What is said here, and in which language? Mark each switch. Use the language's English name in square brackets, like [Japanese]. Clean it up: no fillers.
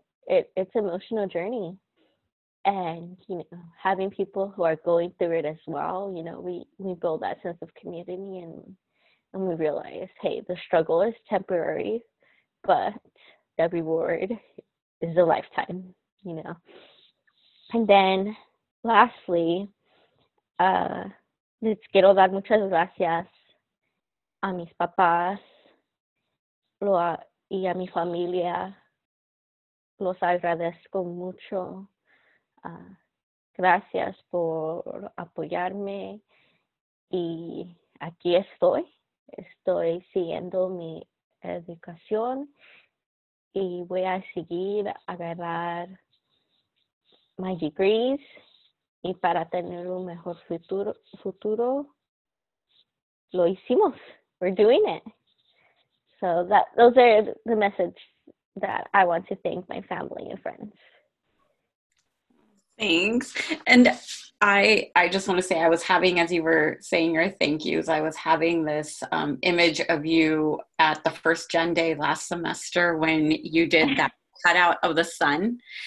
[English] It's an emotional journey. And, you know, having people who are going through it as well, you know, we build that sense of community, and we realize, hey, the struggle is temporary, but the reward is a lifetime, you know. And then lastly, [Spanish] les quiero dar muchas gracias a mis papás y a mi familia. Los agradezco mucho. Gracias por apoyarme, y aquí estoy siguiendo mi educación, y voy a seguir a agarrar [English] my degrees, [Spanish] y para tener un mejor futuro, lo hicimos, [English] we're doing it. So those are the message that I want to thank my family and friends. Thanks. And I just want to say, I was having, as you were saying your thank yous, I was having this image of you at the first Gen Day last semester when you did that cutout of the sun.